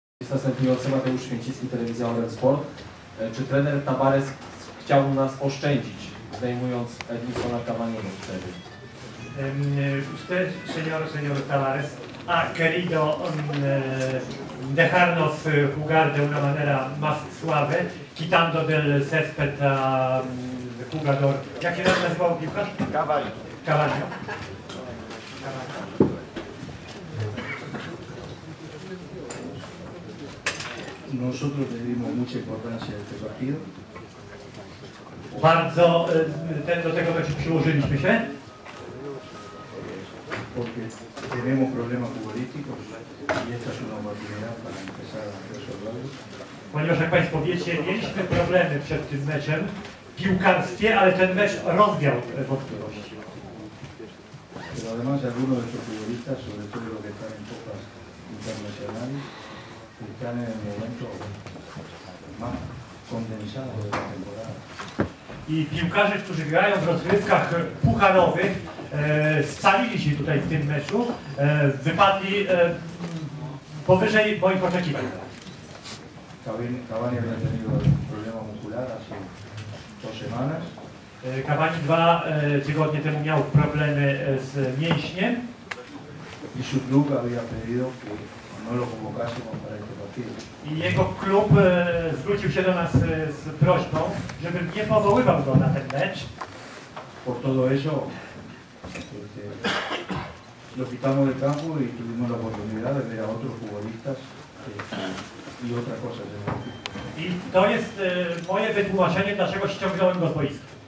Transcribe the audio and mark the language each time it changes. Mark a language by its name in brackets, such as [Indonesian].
[Polish] zasadniczo Mateusz Święcicki, Telewizja Orlen Sport. Czy trener Tabárez chciał nas oszczędzić, zdejmując Edinsona Cavaniego wtedy? [Spanish] Usted, señor Tabárez, ha querido dejarnos jugar de una manera más suave, quitando del césped a jugador. [Polish] ¿Jak się nazywał piłka? Cavani. [Spanish] Nosotros le dimos mucha importancia a este partido. [Polish] Bardzo do tego przyłożyliśmy się. [Spanish] Porque tenemos problemas futbolísticos y esta es una oportunidad para empezar a resolverlos. [Polish] Ponieważ, jak Państwo wiecie, mieliśmy problemy przed tym meczem w piłkarstwie, ale ten mecz rozwiał wątpliwości. [Spanish] Pero además algunos de estos futbolistas, sobre todo los que están en copas internacionales, están en el momento más condensado de la temporada. [Polish] I piłkarze, którzy grają w rozgrywkach pucharowych, scalili się tutaj w tym meczu, wypadli powyżej moich oczekiwań. [Spanish] Cavani había tenido problema muscular hace dos semanas. [Polish] Cavani dwa tygodnie temu miał problemy z mięśniem. [Spanish] I su club había pedido que no lo convocásemos para este partido. [Polish] I jego klub zwrócił się do nas z prośbą, żebym nie powoływał go na ten mecz. [Spanish] Por todo eso, lo quitamos del campo y tuvimos la oportunidad de ver a otros futbolistas y otra cosa. [Polish] I to jest moje wytłumaczenie, dlaczego ściągnąłem go z boiska.